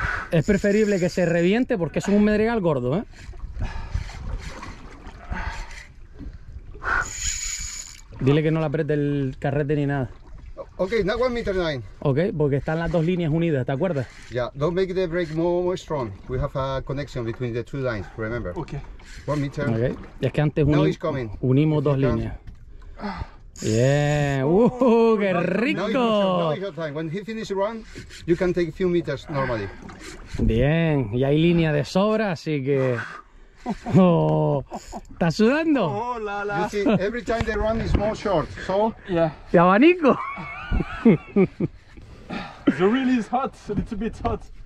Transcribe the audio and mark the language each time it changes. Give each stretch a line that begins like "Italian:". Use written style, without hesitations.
Spanish: Es preferible que se reviente porque es un medregal gordo, ¿eh? Dile que no le apriete el carrete ni nada.
English: Ok, not 1 meter 9.
Spanish: Ok, porque están las dos líneas unidas, ¿te acuerdas?
English: Yeah, don't make the brake more strong. We have a connection between the two lines, remember. Ok. 1 meter.
Spanish: Ok, y es que antes unimos dos líneas. Yeah, qué rico.
English: When he finishes run, you can take a few meters normally.
Spanish: Bien, y hay línea de sobra, así que. Oh, está sudando. Oh, la la.
English: You see, every time they run is more short. So, yeah.
Spanish: ¿Y abanico?
English: The really is hot, a little bit hot.